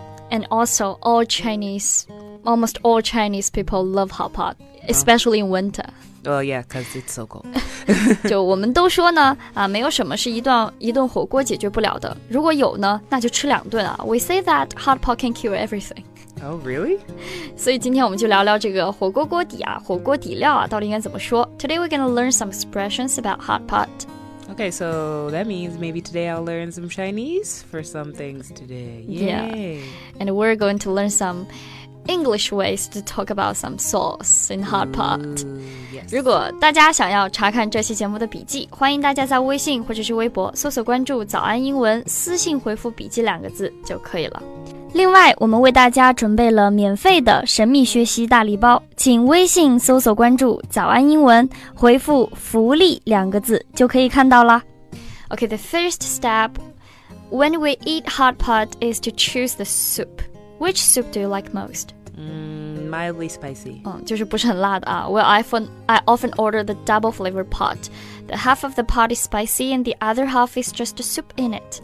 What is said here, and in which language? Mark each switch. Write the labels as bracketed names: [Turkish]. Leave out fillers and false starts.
[English] And also, almost all Chinese people love hot pot, especially in winter. Well, yeah, because it's so cold. [Chinese] 就我们都说呢，没有什么是一顿火锅解决不了的。如果有呢，那就吃两顿啊。 [English] We say that hot pot can cure everything. Oh, really? [Chinese] 所以今天我们就聊聊这个火锅锅底啊，火锅底料啊，到底应该怎么说。 [English] Today we're going to learn some expressions about hot pot. Okay, so that means maybe today I'll learn some Chinese for some things today. Yay! Yeah. And we're going to learn some English ways to talk about some sauce in hot pot. Yes. [Chinese] 如果大家想要查看这期节目的笔记，欢迎大家在微信或者是微博搜索关注早安英文，私信回复笔记两个字就可以了。另外，我们为大家准备了免费的神秘学习大礼包，请微信搜索关注早安英文，回复福利两个字就可以看到了。 [English] Okay, the first step when we eat hot pot is to choose the soup. Which soup do you like most? Mildly spicy. [Chinese] 就是不是很辣的啊。 [English] Well, I often order the double flavor pot. The half of the pot is spicy and the other half is just a soup in it.